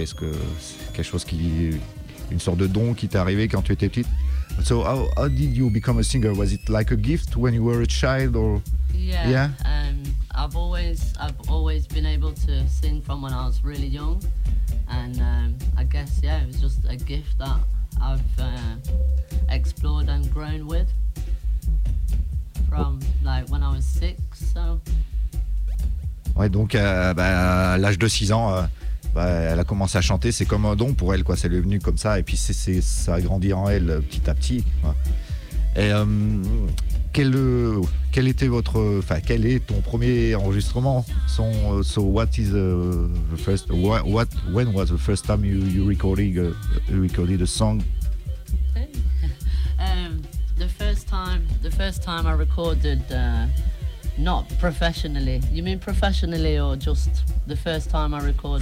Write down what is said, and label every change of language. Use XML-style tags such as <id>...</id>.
<fr>Est-ce que c'est quelque chose qui, une sorte de don qui t'est arrivé quand tu étais petite?</fr> <en>So how did you become a singer? Was it like a gift when you were a child or? Yeah. I've always been able to sing from when I was really young, and I guess yeah, it was just a gift that I've explored and grown with from like when I was six. So.</en> <fr>Ouais, donc à l'âge de 6 ans, elle a commencé à chanter. C'est comme un don pour elle, quoi. Ça lui est venu comme ça, et puis c'est ça a grandi en elle petit à petit. Quoi. Et quel était votre, enfin quel est ton premier enregistrement?</fr> <en>So what is the first, what when was the first time you recorded a song? The first time I recorded. Not professionally. You mean professionally or just the first time I recorded?</en>